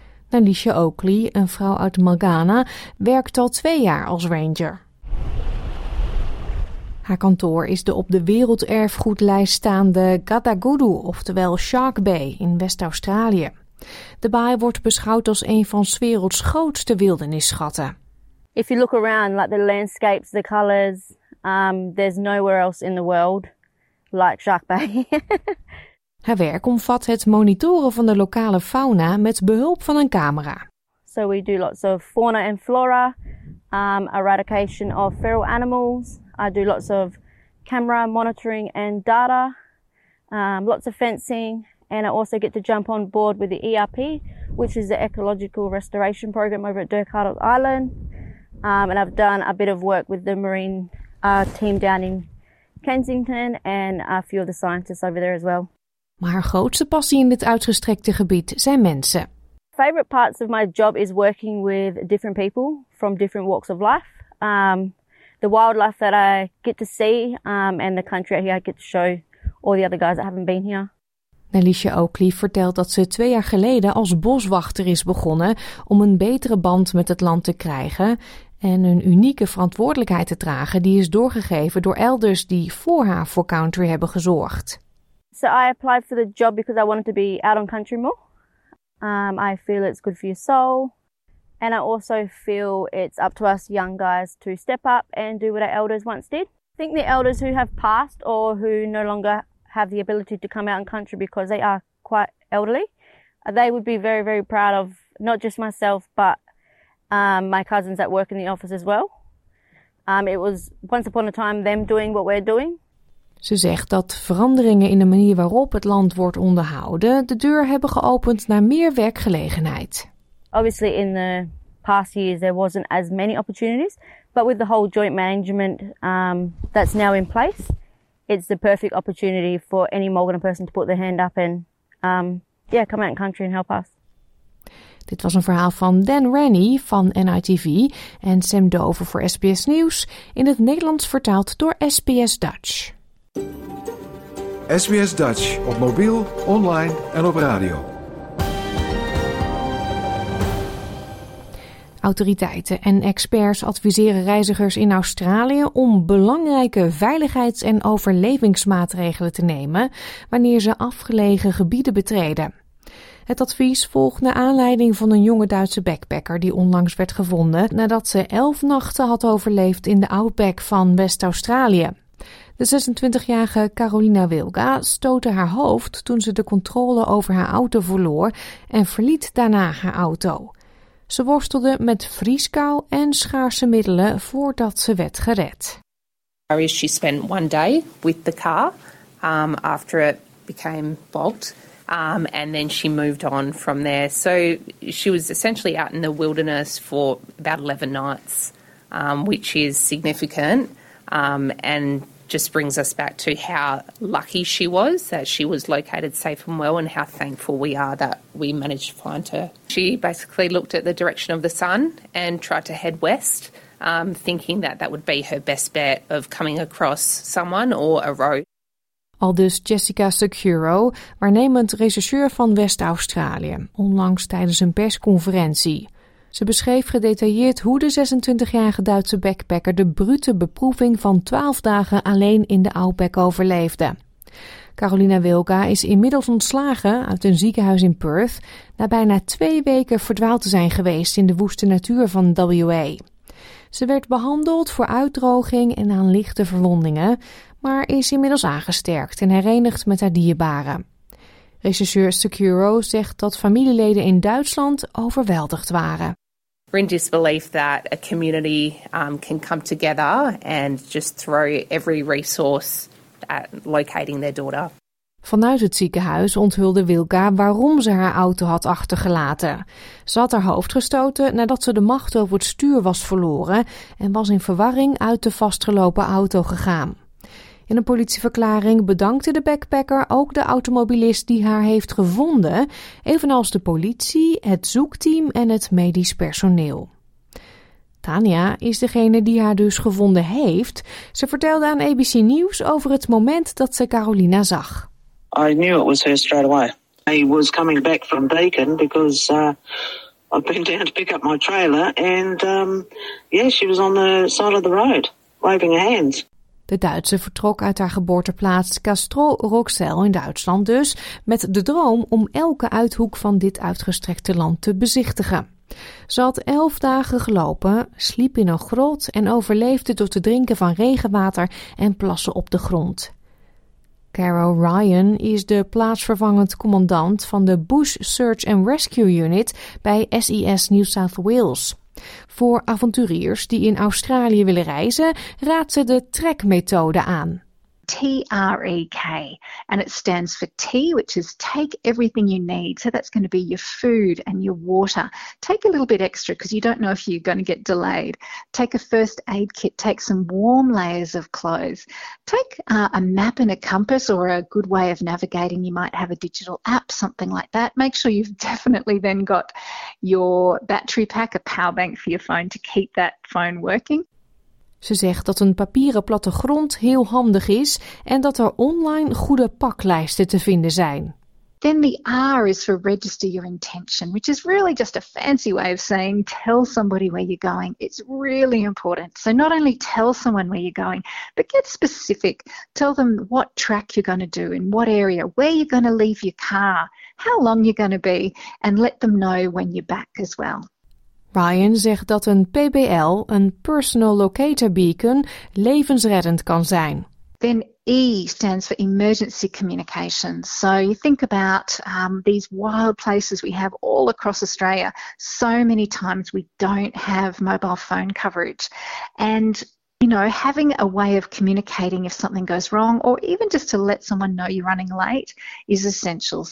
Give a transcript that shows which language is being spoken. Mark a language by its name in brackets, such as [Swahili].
[Dutch] Nalisha Oakley, een vrouw uit Malgana, werkt al 2 jaar als ranger. Haar kantoor is de op de werelderfgoedlijst staande Gadagudu, oftewel Shark Bay in West-Australië. De baai wordt beschouwd als een van 's werelds grootste wildernisschatten. [English] If you look around, like the landscapes, the colors, there's nowhere else in the world like Shark Bay. [Dutch] Haar werk omvat het monitoren van de lokale fauna met behulp van een camera. [English] So we do lots of fauna and flora, eradication of feral animals. I do lots of camera monitoring and data, lots of fencing. And I also get to jump on board with the ERP, which is the Ecological Restoration Program over at Dirk-Hartel Island. And I've done a bit of work with the marine team down in Kensington and a few of the scientists over there as well. [Dutch] Maar haar grootste passie in dit uitgestrekte gebied zijn mensen. [English] Favorite parts of my job is working with different people from different walks of life. The wildlife that I get to see and the country out here I get to show all the other guys that haven't been here. [Dutch] Nelisha Oakley vertelt dat ze 2 jaar geleden als boswachter is begonnen om een betere band met het land te krijgen en een unieke verantwoordelijkheid te dragen die is doorgegeven door elders die voor haar voor country hebben gezorgd. [English] So I applied for the job because I wanted to be out on country more. I feel it's good for your soul. And I also feel it's up to us young guys to step up and do what our elders once did. I think the elders who have passed or who no longer have the ability to come out in country because they are quite elderly, they would be very, very proud of not just myself, but my cousins that work in the office as well. It was once upon a time them doing what we're doing. [Dutch] Ze zegt dat veranderingen in de manier waarop het land wordt onderhouden de deur hebben geopend naar meer werkgelegenheid. [English] Obviously in the past years there wasn't as many opportunities, but with the whole joint management that's now in place, it's the perfect opportunity for any Morgana person to put their hand up and come out in country and help us. [Dutch] Dit was een verhaal van Dan Rennie van NITV en Sam Dover voor SBS Nieuws, in het Nederlands vertaald door SBS Dutch. SBS Dutch op mobiel, online en op radio. Autoriteiten en experts adviseren reizigers in Australië om belangrijke veiligheids- en overlevingsmaatregelen te nemen wanneer ze afgelegen gebieden betreden. Het advies volgt naar aanleiding van een jonge Duitse backpacker die onlangs werd gevonden nadat ze 11 nachten had overleefd in de outback van West-Australië. De 26-jarige Carolina Wilga stootte haar hoofd toen ze de controle over haar auto verloor en verliet daarna haar auto. Ze worstelde met vrieskou en schaarse middelen voordat ze werd gered. [English] She spent one day with the car after it became bogged. And then she moved on from there. So she was essentially out in the wilderness for about 11 nights, which is significant. And just brings us back to how lucky she was that she was located safe and well and how thankful we are that we managed to find her. She basically looked at the direction of the sun and tried to head west, thinking that that would be her best bet of coming across someone or a road. [Dutch] Aldus Jessica Securo, waarnemend rechercheur van West-Australië, onlangs tijdens een persconferentie. Ze beschreef gedetailleerd hoe de 26-jarige Duitse backpacker de brute beproeving van 12 dagen alleen in de outback overleefde. Carolina Wilga is inmiddels ontslagen uit een ziekenhuis in Perth na bijna 2 weken verdwaald te zijn geweest in de woeste natuur van WA. Ze werd behandeld voor uitdroging en aan lichte verwondingen, maar is inmiddels aangesterkt en herenigd met haar dierbaren. Rechercheur Securo zegt dat familieleden in Duitsland overweldigd waren. [English] We're in disbelief that a community can come together and just throw every resource at locating their daughter. [Dutch] Vanuit het ziekenhuis onthulde Wilga waarom ze haar auto had achtergelaten. Ze had haar hoofd gestoten nadat ze de macht over het stuur was verloren en was in verwarring uit de vastgelopen auto gegaan. In een politieverklaring bedankte de backpacker ook de automobilist die haar heeft gevonden, evenals de politie, het zoekteam en het medisch personeel. Tania is degene die haar dus gevonden heeft. Ze vertelde aan ABC News over het moment dat ze Carolina zag. [English] I knew it was her straight away. I was coming back from Beacon because I've been down to pick up my trailer and she was on the side of the road waving her hands. [Dutch] De Duitse vertrok uit haar geboorteplaats Castrop-Rauxel in Duitsland dus, met de droom om elke uithoek van dit uitgestrekte land te bezichtigen. Ze had 11 dagen gelopen, sliep in een grot en overleefde door te drinken van regenwater en plassen op de grond. Carol Ryan is de plaatsvervangend commandant van de Bush Search and Rescue Unit bij SES New South Wales. Voor avonturiers die in Australië willen reizen, raadt ze de trekmethode aan. [English] T-R-E-K, and it stands for tea, which is take everything you need. So that's going to be your food and your water. Take a little bit extra because you don't know if you're going to get delayed. Take a first aid kit, take some warm layers of clothes. Take a map and a compass or a good way of navigating. You might have a digital app, something like that. Make sure you've definitely then got your battery pack, a power bank for your phone to keep that phone working. [Dutch] Ze zegt dat een papieren plattegrond heel handig is en dat er online goede paklijsten te vinden zijn. [English] Then the R is for register your intention, which is really just a fancy way of saying tell somebody where you're going. It's really important. So not only tell someone where you're going, but get specific. Tell them what track you're going to do, in what area, where you're going to leave your car, how long you're going to be, and let them know when you're back as well. [Dutch] Ryan zegt dat een PBL, een Personal Locator Beacon, levensreddend kan zijn. [English] Then E stands for emergency communications. So you think about these wild places we have all across Australia. So many times we don't have mobile phone coverage. And, you know, having a way of communicating if something goes wrong or even just to let someone know you're running late is essential.